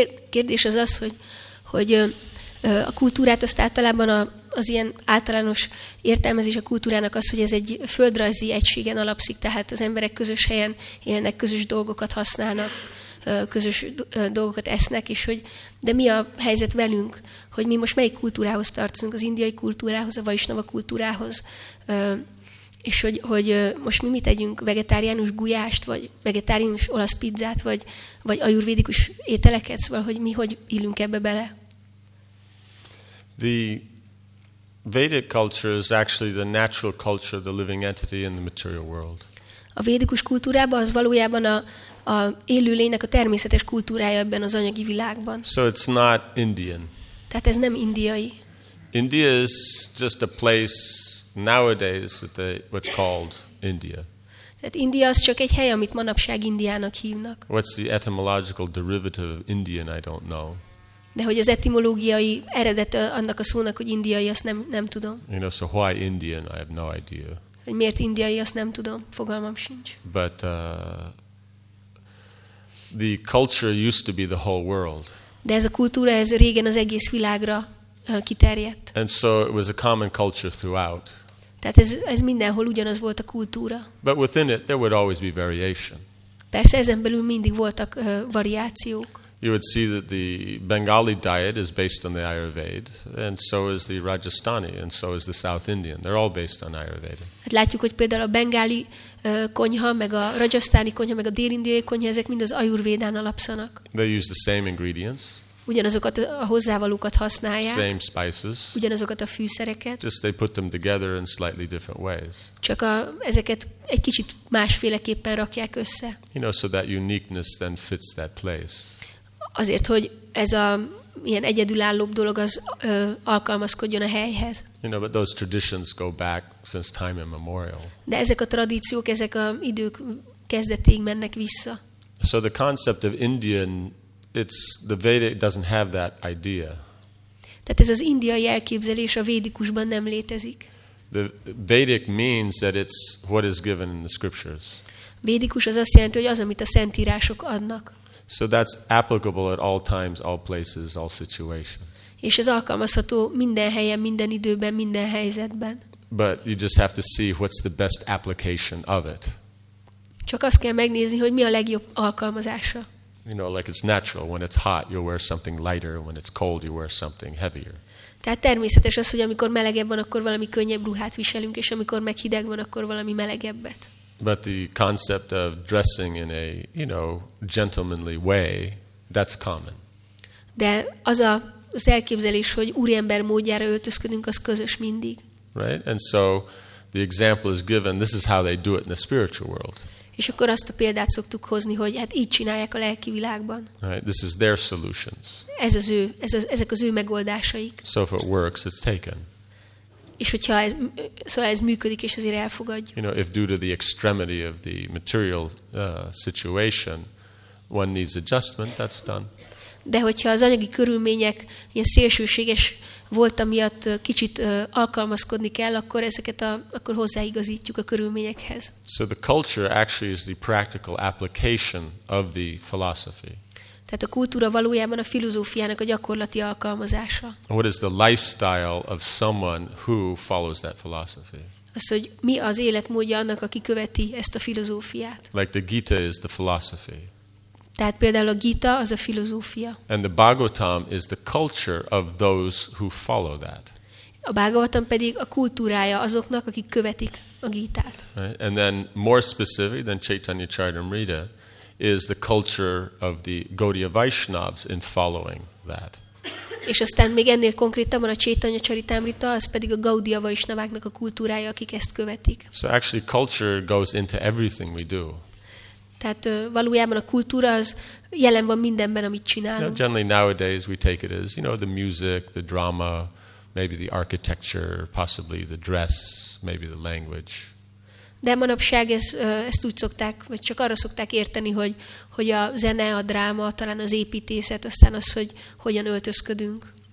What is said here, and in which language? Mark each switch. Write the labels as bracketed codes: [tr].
[hu] Kérdés az az, hogy a kultúrát azt általában az ilyen általános értelmezés a kultúrának az, hogy ez egy földrajzi egységen alapszik, tehát az emberek közös helyen élnek, közös dolgokat használnak, közös dolgokat esznek, és hogy de mi a helyzet velünk, hogy mi most melyik kultúrához tartozunk, az indiai kultúrához, a vaisnava kultúrához, és hogy most mi mit együnk, vegetáriánus gulyást, vagy vegetáriánus olasz pizzát, vagy ajurvédikus ételeket, szóval hogy mi hogy illünk ebbe bele? [en] The Vedic culture is actually the natural culture, the living entity in the material world. [hu] A védikus kultúrában az valójában a élőlénynek a természetes kultúrája ebben az anyagi világban. [en] So it's not Indian. [hu] Tehát ez nem indiai. [en] India is just a place nowadays that they what's called India. [hu] Tehát India az csak egy hely, amit manapság Indiának hívnak. [en] What's the etymological derivative of Indian? I don't know. [hu] De hogy az etimológiai eredete annak a szónak, hogy indiai, azt nem tudom. [en] You know, so why Indian? I have no idea. [hu] Hogy miért indiai, azt nem tudom. Fogalmam sincs. [en] But the culture used to be the whole world. [hu] De ez a kultúra, ez régen az egész világra kiterjedt. [en] And so it was a common culture throughout. [hu] Tehát ez mindenhol ugyanaz volt a kultúra. [en] But within it, there would always be variation. [hu] Persze ezen belül mindig voltak variációk. [en] You would see that the Bengali diet is based on the Ayurveda, and so is the Rajasthani, and so is the South Indian. They're all based on Ayurveda. [hu] Hát látjuk, hogy például a bengáli konyha, meg a rajasztáni konyha, meg a dél-indiai konyha, ezek mind az Ayurvédán alapszanak. [en] They use the same ingredients. [hu] Ugyanazokat a hozzávalókat használják. [en] Same spices. [hu] Ugyanazokat a fűszereket. [en] Just they put them together in slightly different ways. [hu] Csak ezeket egy kicsit másféleképpen rakják össze. [en] You know, so that uniqueness then fits that place. [hu] Azért, hogy ez a ilyen egyedülállóbb dolog az alkalmazkodjon a helyhez. [en] You know, but those traditions go back since time immemorial. [hu] De ezek a tradíciók, ezek a idők kezdetéig mennek vissza. [en] So the concept of Indian, it's the Vedic doesn't have that idea. [hu] Tehát ez az indiai elképzelés a védikusban nem létezik. [en] The Vedic means that it's what is given in the scriptures. [hu] Védikus az azt jelenti, hogy az, amit a szentírások adnak. [en] So that's applicable at all times, all places, all situations. [hu] És ez alkalmazható minden helyen, minden időben, minden helyzetben. [en] But you just have to see what's the best application of it. [hu] Csak azt kell megnézni, hogy mi a legjobb alkalmazása. [en] You know, like it's natural, when it's hot you wear something lighter, when it's cold you wear something heavier. [hu] Tehát természetes az, hogy amikor melegebb van, akkor valami könnyebb ruhát viselünk, és amikor meg hideg van, akkor valami melegebbet. [en] But the concept of dressing in a, you know, gentlemanly way, that's common. [hu] De az elképzelés, hogy úriember módjára öltözködünk, az közös mindig. [en] Right? And so the example is given, this is how they do it in the spiritual world. [hu] És akkor azt a példát szoktuk hozni, hogy hát így csinálják a lelki világban. [en] Right? This is their solutions. [hu] Ezek az ő megoldásaik. [en] So if it works, it's taken. [hu] És hogyha ez működik, és ezért elfogadjuk. [en] You know, if due to the extremity of the material situation, one needs adjustment, that's done. [hu] De hogyha az anyagi körülmények ilyen szélsőséges volt, amiatt kicsit alkalmazkodni kell, akkor ezeket akkor hozzáigazítjuk a körülményekhez. [en] So the culture actually is the practical application of the philosophy. [hu] Tehát a kultúra valójában a filozófiának a gyakorlati alkalmazása. [en] What is the lifestyle of someone who follows that philosophy? [hu] Az, hogy mi az életmódja annak, aki követi ezt a filozófiát. [en] Like the Gita is the philosophy. [hu] Tehát például a Gita az a filozófia. [en] And the Bhagavatam is the culture of those who follow that. [hu] A Bhagavatam pedig a kultúrája azoknak, akik követik a Gítát. [en] Right? And then more specific than Chaitanya Charitamrita, is the culture of the Gaudiya Vaishnavas in following that. [hu] És aztán még ennél konkrétabban a Chaitanya Charitamrita, az pedig a Gaudiya Vaishnavaknak a kultúrája, akik ezt követik. [en] So actually culture goes into everything we do. [hu] Tehát valójában a kultúra az jelen van mindenben, amit csinálunk. [en] You know, generally nowadays we take it as, you know, the music, the drama, maybe the architecture, possibly the dress, maybe the language. [hu] De manapság ezt úgy szokták, vagy csak arra szokták érteni, hogy a zene, a dráma, talán az építészet, aztán az, hogy hogyan öltözködünk.